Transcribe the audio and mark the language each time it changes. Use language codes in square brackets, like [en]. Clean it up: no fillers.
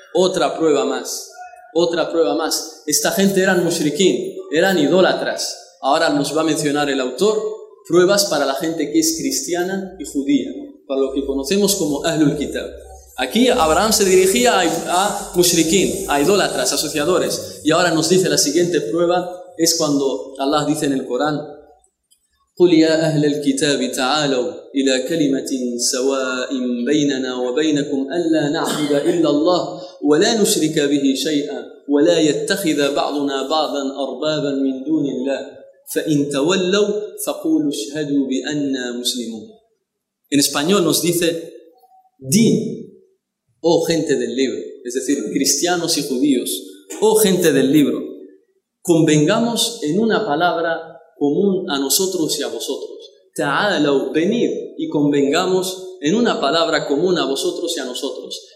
[es] Otra prueba más, otra prueba más. Esta gente eran mushrikín, eran idólatras. Ahora nos va a mencionar el autor pruebas para la gente que es cristiana y judía, para lo que conocemos como Ahlul Kitab. Aquí Abraham se dirigía a mushrikín, a idólatras, asociadores. Y ahora nos dice la siguiente prueba, es cuando Allah dice en el Corán: [ar] قل يا أهل الكتاب تعالوا إلى كلمة سواء بيننا وبينكم ألا نعبد إلا الله ولا نشرك به شيئا ولا يتخذ بعضنا بعضا أربابا من دون الله فإن تولوا فقولوا اشهدوا بأننا مسلمون. [es] En español nos dice: din, oh gente del libro, es decir, cristianos y judíos, oh gente del libro, convengamos en una palabra común a nosotros y a vosotros. Ta'alaw, venid y convengamos en una palabra común a vosotros y a nosotros.